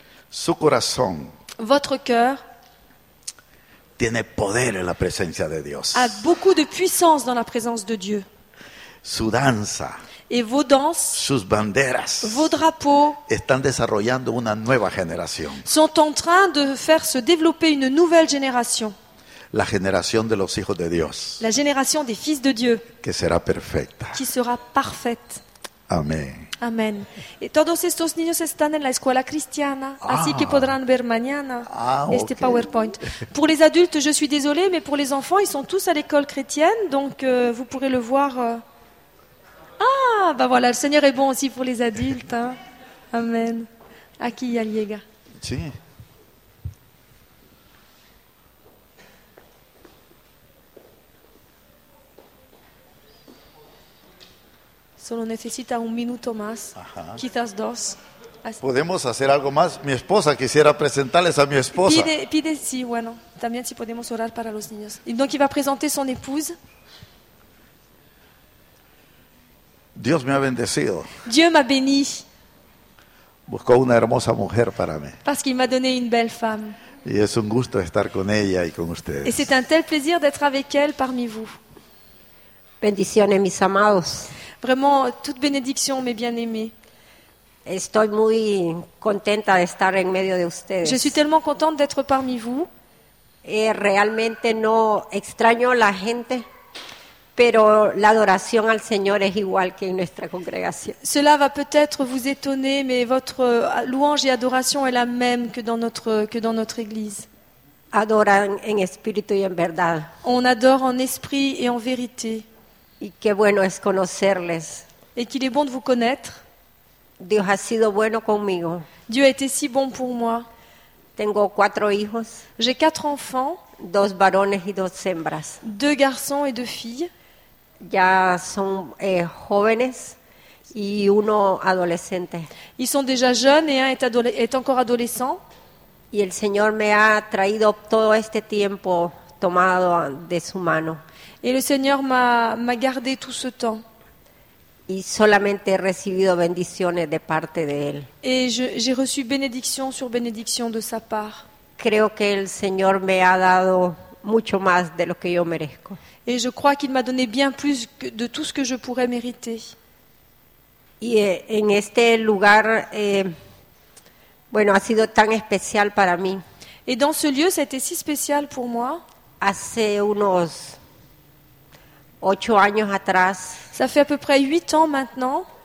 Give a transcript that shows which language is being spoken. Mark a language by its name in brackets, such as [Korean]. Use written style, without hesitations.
[Spanish] Su corazón. [French] Votre cœur. [Spanish] Tiene poder en la presencia de Dios. [French] A beaucoup de puissance dans la présence de Dieu. [Spanish] Su danza. [French] Et vos danses. [Spanish] Sus banderas. [French] Vos drapeaux. [Spanish] Están desarrollando una nueva generación. [French] Sont en train de faire se développer une nouvelle génération. [Spanish] La generación de los hijos de Dios. [French] La génération des fils de Dieu. [Spanish] Que será perfecta. [French] Qui sera parfaite. [Spanish] Amén. [French] Amén. [Spanish] Y todos estos niños están en la escuela cristiana, así que podrán ver mañana este okay. PowerPoint. [French] Pour les adultes, je suis désolée, mais pour les enfants, ils sont tous à l'école chrétienne, donc vous pourrez le voir. Ben voilà, le Seigneur est bon aussi pour les adultes. [Spanish] Hein. Amen. Aquí ya llega. Sí. Solo necesita un minuto más, ajá. Quizás dos. Así. ¿Podemos hacer algo más? Mi esposa quisiera presentarles a mi esposa. Pide, sí, bueno, también si podemos orar para los niños. [French] Y donc il va présenter son épouse. [Spanish] Dios me ha bendecido. [French] Dieu m'a béni. [Spanish] Buscó una hermosa mujer para mí. [French] Parce qu'il m'a donné une belle femme. [Spanish] Y es un gusto estar con ella y con ustedes. [French] Et c'est un tel plaisir d'être avec elle parmi vous. [Spanish] Bendiciones, mis amados. [French] Vraiment, toute bénédiction, mes bien-aimés. [Spanish] Estoy muy contenta de estar en medio de ustedes. [French] Je suis tellement contente d'être parmi vous. [Spanish] Et realmente no extraño la gente. Pero la adoración al Señor es igual que en nuestra congregación. [French] Cela va peut-être vous étonner, mais votre louange et adoration est la même que dans notre église. [Spanish] Adoran en espíritu y en verdad. [French] On adore en esprit et en vérité. [Spanish] Y qué bueno es conocerles. [French] Et qu'il est bon de vous connaître. [Spanish] Dios ha sido bueno conmigo. [French] Dieu a été si bon pour moi. [Spanish] Tengo 4 hijos. [French] J'ai 4 enfants. [Spanish] 2 varones y 2 hembras. [French] 2 garçons et 2 filles. [Spanish] Ya son jóvenes y uno adolescente. [French] Ils sont déjà jeunes et un est encore adolescent. [Spanish] Y el Señor me ha traído todo este tiempo tomado de su mano. [French] Et le Seigneur m'a gardé tout ce temps. [Spanish] Y solamente he recibido bendiciones de parte de él. [French] Et j'ai reçu bénédiction sur bénédiction de sa part. [Spanish] Creo que el Señor me ha dado mucho más de lo que yo merezco. [French] Et je crois qu'il m'a donné bien plus de tout ce que je pourrais mériter. [Spanish] Y en este lugar, bueno, ha sido tan especial para mí. [French] Et dans ce lieu, ça a été si spécial pour moi. [Spanish] Hace unos 8 años atrás. [French] Ça fait à peu près 8 ans maintenant.